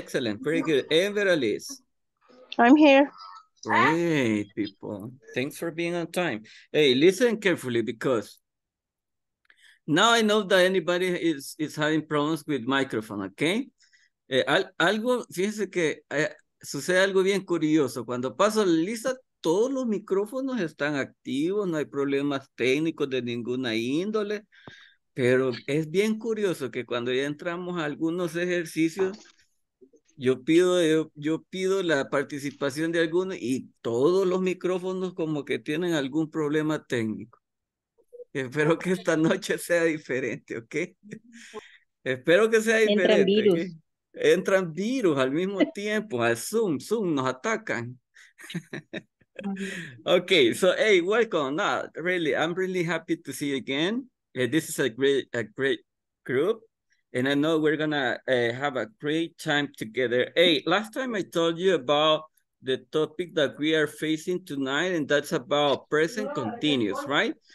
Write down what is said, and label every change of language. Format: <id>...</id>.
<en>Excellent. Very good. And Veraliz. I'm here. Great, people. Thanks for being on time. Hey, listen carefully because now I know that anybody is having problems with microphone, okay?</en> <es>Algo, fíjense que sucede algo bien curioso. Cuando paso la lista, todos los micrófonos están activos, no hay problemas técnicos de ninguna índole. Pero es bien curioso que cuando ya entramos a algunos ejercicios, yo pido la participación de algunos y todos los micrófonos como que tienen algún problema técnico. Espero que esta noche sea diferente, ¿ok? Espero que sea diferente. Entran virus. ¿Okay? Entran virus al mismo tiempo, al Zoom, nos atacan.</es> <en>Ok, so hey, welcome. No, really, I'm really happy to see you again. This is a great group, and I know we're gonna have a great time together. Hey, last time I told you about the topic that we are facing tonight, and that's about present continuous, right?</en>